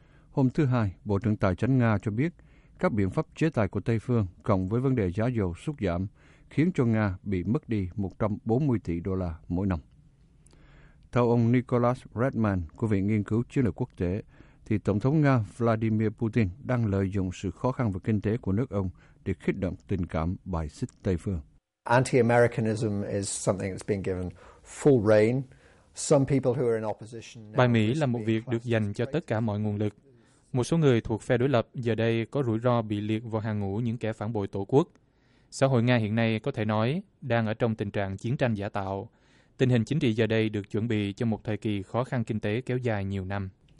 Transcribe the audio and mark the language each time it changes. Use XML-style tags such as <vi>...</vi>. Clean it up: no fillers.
<vi>Hôm thứ Hai, Bộ trưởng Tài chính Nga cho biết các biện pháp chế tài của Tây Phương cộng với vấn đề giá dầu sút giảm khiến cho Nga bị mất đi 140 tỷ đô la mỗi năm. Theo ông Nicholas Redman của Viện Nghiên cứu Chiến lược Quốc tế, thì Tổng thống Nga Vladimir Putin đang lợi dụng sự khó khăn về kinh tế của nước ông để kích động tình cảm bài xích Tây Phương.</vi> <en>Anti-Americanism is something that's been given full rein. Some people who are in opposition.</en> <vi>Bài Mỹ là một việc được dành cho tất cả mọi nguồn lực. Một số người thuộc phe đối lập giờ đây có rủi ro bị liệt vào hàng ngũ những kẻ phản bội tổ quốc. xã hội Nga hiện nay có thể nói đang ở trong tình trạng chiến tranh giả tạo. Tình hình chính trị giờ đây được chuẩn bị cho một thời kỳ khó khăn kinh tế kéo dài nhiều năm.</vi>